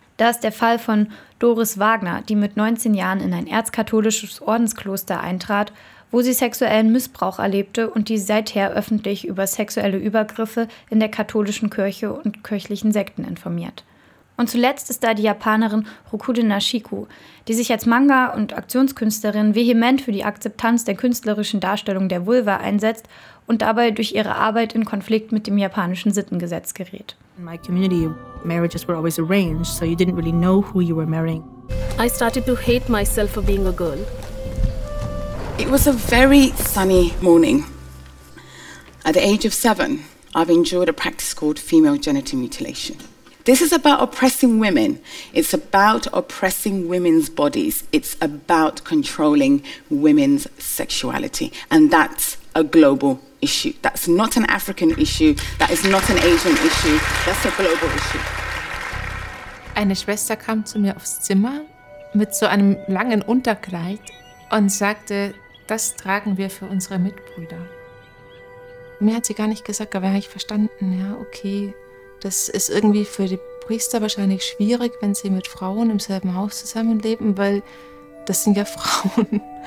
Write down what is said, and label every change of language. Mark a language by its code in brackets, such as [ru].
[de] Da ist der Fall von Doris Wagner, die mit 19 Jahren in ein erzkatholisches Ordenskloster eintrat, wo sie sexuellen Missbrauch erlebte und die seither öffentlich über sexuelle Übergriffe in der katholischen Kirche und kirchlichen Sekten informiert. Und zuletzt ist da die Japanerin Rokude Nashiku, die sich als Manga- und Aktionskünstlerin vehement für die Akzeptanz der künstlerischen Darstellung der Vulva einsetzt und dabei durch ihre Arbeit in Konflikt mit dem japanischen Sittengesetz gerät. [en] In my community, marriages were always arranged, so you didn't really know who you were marrying. I started to hate myself for being a girl. It was a very sunny morning. At the age of 7, I've endured a practice called female genital mutilation. This is about oppressing women. It's about oppressing women's bodies. It's about controlling women's sexuality. And that's a global issue. That's not an African issue. That is not an Asian issue. That's a global issue. [de] Eine Schwester kam zu mir aufs Zimmer mit so einem langen Unterkleid und sagte, das tragen wir für unsere Mitbrüder. Mir hat sie gar nicht gesagt, aber habe ich verstanden, ja, okay, das ist irgendwie für die Priester wahrscheinlich schwierig, wenn sie mit Frauen im selben Haus zusammenleben, weil das sind ja Frauen.